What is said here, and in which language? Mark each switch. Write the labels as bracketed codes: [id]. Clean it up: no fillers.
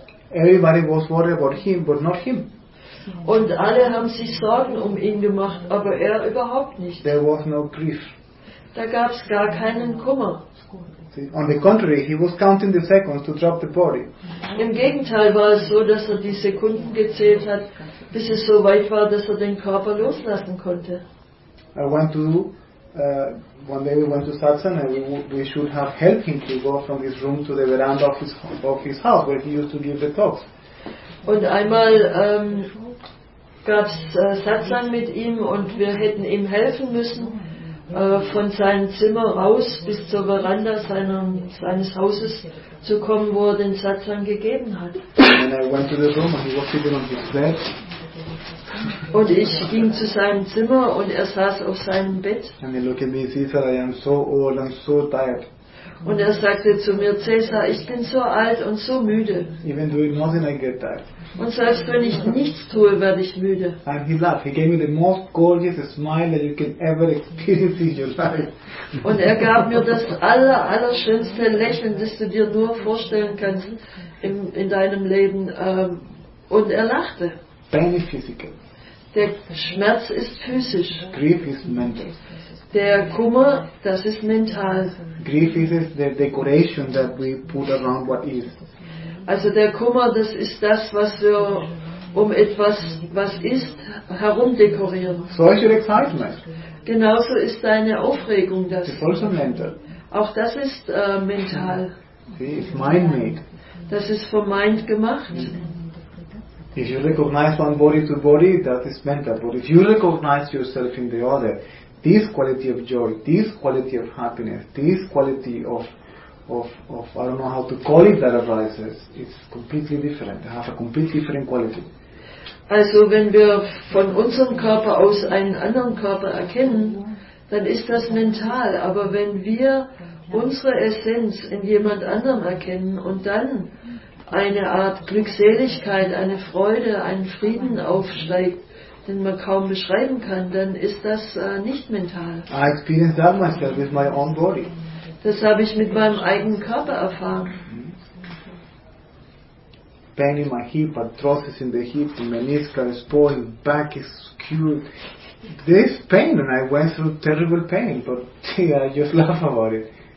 [en] everybody was worried about him, but not him. [de] Und alle haben sich Sorgen um ihn gemacht, aber er überhaupt nicht. [en] There was no grief. [de] Da gab es gar keinen Kummer. [en] See, on the contrary, he was counting the seconds to drop the body. [de] Im Gegenteil war es so, dass er die Sekunden gezählt hat, bis es so weit war, dass er den Körper loslassen konnte. [en] I went to one day we went to Satsang and we should have helped him to go from his room to the veranda of his house where he used to give the talks. [de] Und einmal gab's Satsang mit ihm und wir hätten ihm helfen müssen von seinem Zimmer raus bis zur Veranda seines Hauses zu kommen, wo er den Satsang gegeben hat. [en] And I went to the room and he was sitting on his bed. [de] Und ich ging zu seinem Zimmer und er saß auf seinem Bett. [en] And he looked at me, Caesar, I am so old and so tired. [de] Und er sagte zu mir, Caesar, ich bin so alt und so müde. [en] Even doing nothing, I get tired. [de] Und selbst wenn ich nichts tue, werde ich müde. [en] And he laughed. He gave me the most gorgeous smile that you can ever experience in your life. [de] Und er gab mir das allerschönste Lächeln, das du dir nur vorstellen kannst in deinem Leben. Und er lachte. [en] Pain is physical. [de] Der Schmerz ist physisch. [en] Grief ist mental. [de] Der Kummer, das ist mental. [en] Grief is the decoration that we put around what is. [de] Also der Kummer, das ist das, was wir um etwas, was ist, herum dekorieren. Solche Excitement. Genauso ist deine Aufregung das. [en] It's also mental. [de] Auch das ist mental. [en] See, it's mind made. [de] Das ist vom Mind gemacht. [en] If you recognize one body to body, that is mental. But if you recognize yourself in the other, this quality of joy, this quality of happiness, this quality of I don't know how to call it, that arises, it's completely different. They have a completely different quality. [de] Also wenn wir von unserem Körper aus einen anderen Körper erkennen, dann ist das mental. Aber wenn wir unsere Essenz in jemand anderem erkennen und dann eine Art Glückseligkeit, eine Freude, einen Frieden aufsteigt, den man kaum beschreiben kann, dann ist das nicht mental. [en] I experienced that myself with my own body. [de] Das habe ich mit meinem eigenen Körper erfahren. [en] Pain in my hip, arthrosis in the hip, the meniscus is pulling, back is skewed. This pain, and I went through terrible pain, but see, I just laugh about it.